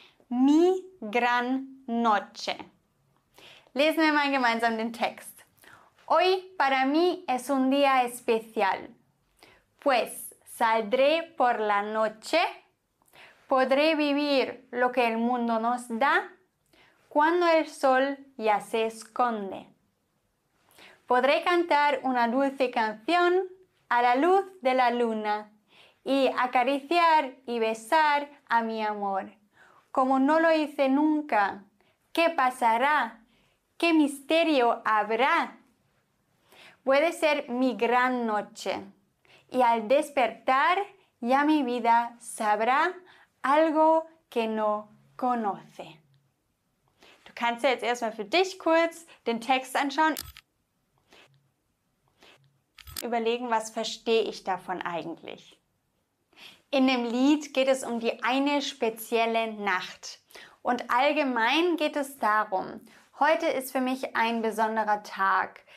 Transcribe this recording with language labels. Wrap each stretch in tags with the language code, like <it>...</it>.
<es>Mi Gran Noche.</es> <de>Lesen wir mal gemeinsam den Text.</de> <es>Hoy para mí es un día especial, pues saldré por la noche, podré vivir lo que el mundo nos da cuando el sol ya se esconde. Podré cantar una dulce canción a la luz de la luna, y acariciar y besar a mi amor, como no lo hice nunca. ¿Qué pasará? ¿Qué misterio habrá? Puede ser mi gran noche, y al despertar ya mi vida sabrá algo que no conoce.</es> <de>Du kannst jetzt erstmal für dich kurz den Text anschauen. Überlegen, was verstehe ich davon eigentlich? In dem Lied geht es um die eine spezielle Nacht. Und allgemein geht es darum, heute ist für mich ein besonderer Tag.</de>